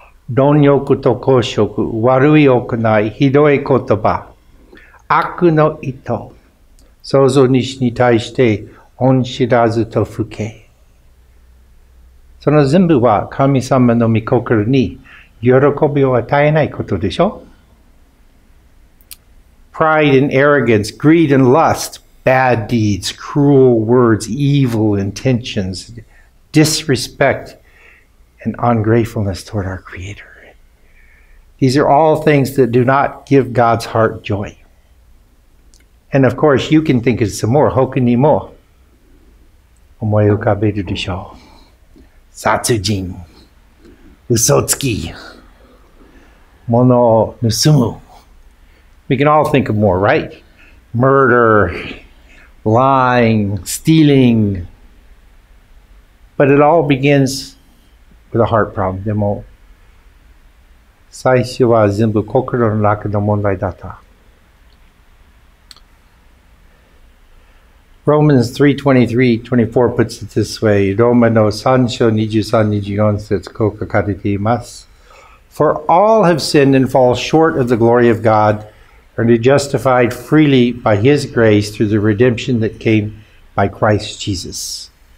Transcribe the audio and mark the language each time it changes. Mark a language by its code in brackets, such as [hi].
[ja] 貪欲と好色、悪い行い、ひどい言葉、悪の意図、創造主に対して恩知らずと不敬。その全部は神様の御心に喜びを与えないことでしょ? [en] Pride and arrogance, greed and lust, bad deeds, cruel words, evil intentions, disrespect,and ungratefulness toward our Creator. These are all things that do not give God's heart joy. And of course, you can think of some more. [ja] 他にも思い浮かべるでしょう。殺人、嘘つき、物を盗む。 [en] We can all think of more, right? Murder, lying, stealing. But it all begins... with a heart problem. [ja] でも最初は全部心の中の問題だった。 [en] Romans 3:23-24 puts it this way. [ja] ローマの三章二十三二十四節こう書かれています。 [en] For all have sinned and fall short of the glory of God, and are justified freely by His grace through the redemption that came by Christ Jesus.